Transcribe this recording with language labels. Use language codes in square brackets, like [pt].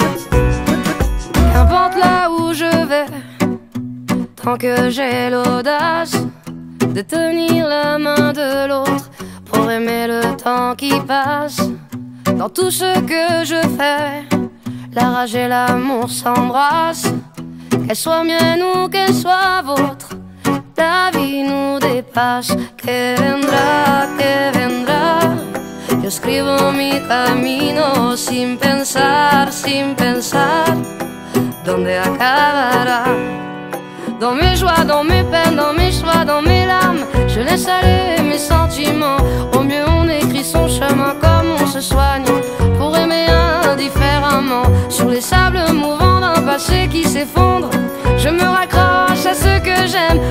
[fr] Qu'importe là où je vais, tant que j'ai l'audace de tenir la main de l'autre pour aimer le temps qui passe. Dans tout ce que je fais, la rage et l'amour s'embrassent. Qu'elle soit mienne ou qu'elle soit vôtre, la vie nous dépasse. [es] Que vendrá, que vendrá. Yo escribo mi camino sin pensar, sin pensar. Donde acabará. [fr] Dans mes joies, dans mes peines, dans mes choix, dans mes larmes, je laisse aller mes sentiments. Au mieux on écrit son chemin comme on se soigne pour aimer indifféremment. Sur les sables mouvants d'un passé qui s'effondre, je me raccroche à ce que j'aime.